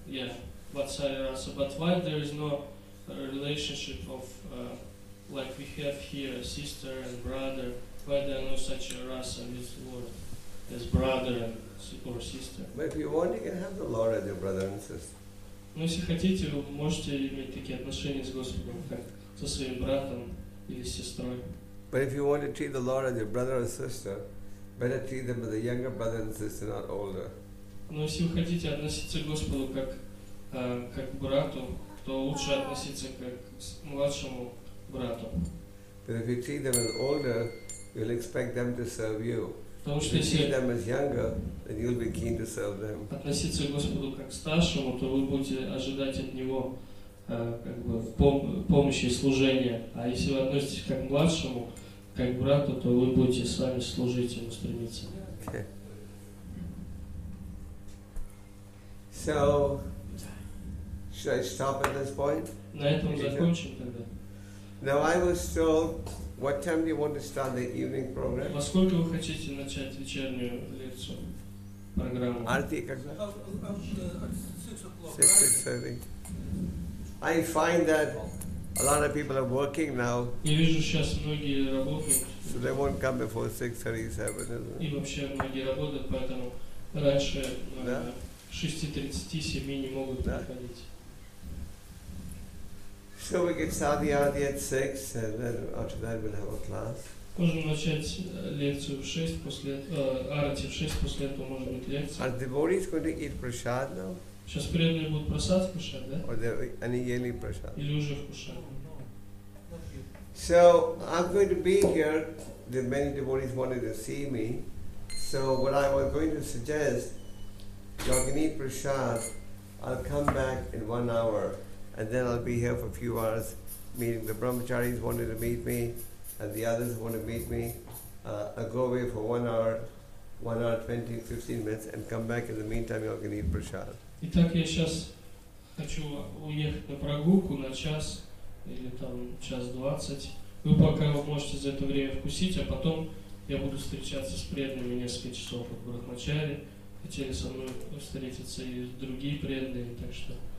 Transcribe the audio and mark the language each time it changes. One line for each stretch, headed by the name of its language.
English: Yeah, but sari rasa. But why there is no relationship of like we have here, sister and brother? Why there are no such a rasa with the Lord as brother and or sister? But if you want, you can have the Lord as your brother and sister.
Russian: Но если хотите, вы можете иметь такие отношения с Господом, как со своим братом или сестрой.
English: But if you want to treat the Lord as your brother or sister, better treat them as a younger brother and sister, not older.
Russian: Но если вы хотите относиться к Господу как брату, то лучше относиться как младшему брату.
English: But if you treat them as older, you'll expect them to serve you.
Russian: Потому что
English: if you treat them as younger, then you'll be keen to serve them.
Russian: Относиться к Господу как старшему, то вы будете ожидать от него помощи и служения. А если вы относитесь как младшему, как брату, то вы будете сами служить ему, стремиться.
English: Okay. So, should I stop at this point?
Russian: На этом закончим тогда.
English: Now I was told. What time do you want to start the evening program?
Russian: Во сколько вы хотите начать вечернюю лекцию, программу? Арти, когда?
English: Six o'clock. I find that a lot of people are working now.
Russian: Я вижу, сейчас многие работают.
English: So they won't come before 6:37, isn't it?
Russian: И вообще многие работают, поэтому раньше 6:30 семьи не могут приходить.
English: So we can start the arti at 6, and then after that we'll have a class.
Russian: Можем начать лекцию в 6, после арти в 6, после этого может быть лекция.
English: Are devotees going to eat prasad now?
Russian: Сейчас преданные будут прасад кушать, да?
English: Or any yearly prasad?
Russian: Или уже кушают?
English: So I'm going to be here. The many devotees wanted to see me. So what I was going to suggest, you can eat prasad. I'll come back in 1 hour. And then I'll be here for a few hours, meeting the brahmacharis wanted to meet me, and the others want to meet me. I'll go away for 1 hour, 1 hour, 20, 15 minutes, and come back. In the meantime, you can eat prasad.
Russian: Итак, я сейчас хочу уехать на прогулку на час или там час 20. Вы пока можете за это время вкусить, а потом я буду встречаться с преданными несколько часов под брахмачари. Хотели со мной встретиться и другие преданные, так что.